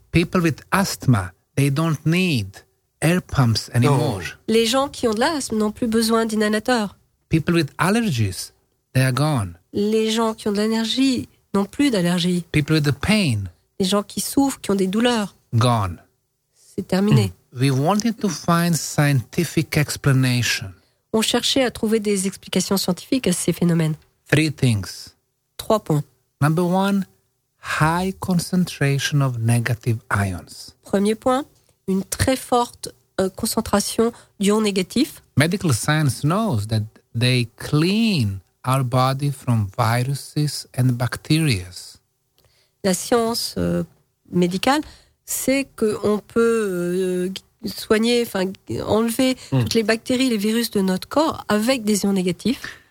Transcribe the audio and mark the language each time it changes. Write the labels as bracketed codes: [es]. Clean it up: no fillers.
[en] People with asthma, they don't need air pumps anymore. [fr] Non. Les gens qui ont de l'asthme n'ont plus besoin d'inhalateurs. [en] People with allergies, they are gone. [fr] Les gens qui ont de l'allergie n'ont plus d'allergie. [en] People with the pain. [fr] Les gens qui souffrent, qui ont des douleurs. [en] Gone. [fr] C'est terminé. [en] We wanted to find scientific explanation. [fr] On cherchait à trouver des explications scientifiques à ces phénomènes. [en] Three things. [fr] Trois points. [en] Number one, high concentration of negative ions. [fr] Premier point. Une très forte concentration d'ions négatifs. [en] Medical science knows that they clean our body from viruses and bacteria. [fr] La science médicale sait qu'on peut soigner, enfin enlever toutes les bactéries, les virus de notre corps avec des ions négatifs.